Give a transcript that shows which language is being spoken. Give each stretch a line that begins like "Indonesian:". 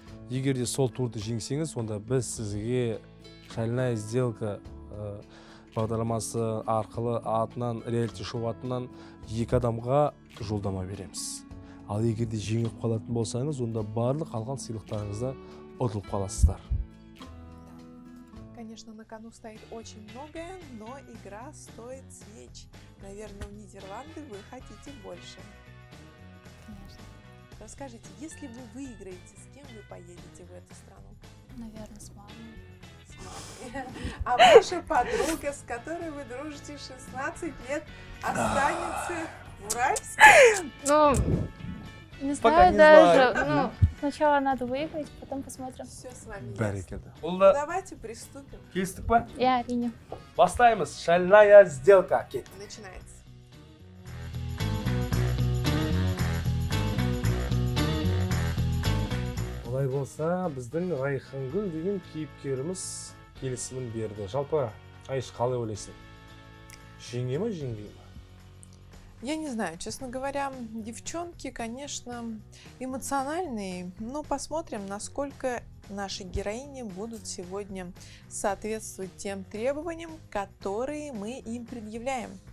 Kazakh: Егер де сол турды жеңсеңіз, онда біз сізге шайная сделка бағдарламасы арқылы атынан реалити шоу атынан 2 адамға жолдама береміз. Ал егер де жеңіп қалатын болсаңыз, онда барлық алған сыйлықтарыңызды ұтылып қаласыздар.
Russian: Конечно, на кону стоит очень многое, но игра стоит свеч. Наверное, в Нидерланды вы хотите больше. Конечно. Расскажите, если вы выиграете, с кем вы поедете в эту страну? Наверное, с мамой. С мамой. А ваша подруга, с которой вы дружите 16 лет, останется в Уральске? Ну, не знаю даже. Сначала надо выиграть, потом посмотрим. Все с вами ясно. Да. Давайте приступим.
Kazakh: Келістік па? Я, әрине. Бастаймыз. Шальная сделка. Кет.
Russian: Начинается.
Kazakh: Олай болса, біздің Райхангүл деген кейіпкеріміз келісімін берді. Жалпы, Айш, қалай ойлайсың? Жеңе ма, жеңбей ма?
Russian: Я не знаю, честно говоря, девчонки, конечно, эмоциональные, но посмотрим, насколько наши героини будут сегодня соответствовать тем требованиям, которые мы им предъявляем.